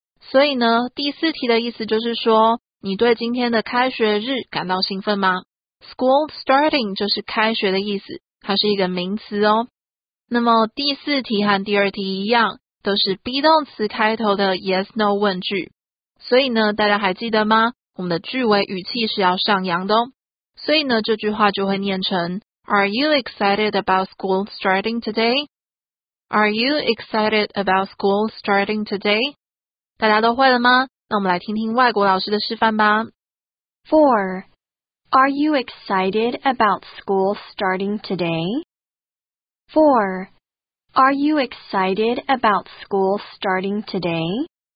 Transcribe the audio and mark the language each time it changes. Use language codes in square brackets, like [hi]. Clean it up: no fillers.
[zh] 所以呢，第四题的意思就是说，你对今天的开学日感到兴奋吗？ School starting 就是开学的意思，它是一个名词哦。那么第四题和第二题一样，都是 be 动词开头的 yes no 问句。所以呢，大家还记得吗？我们的句尾语气是要上扬的哦。所以呢，这句话就会念成 [en] Are you excited about school starting today? Are you excited about school starting today? [zh] 大家都会了吗？那我们来听听外国老师的示范吧。 [en] 4. Are you excited about school starting today? 4. Are you excited about school starting today?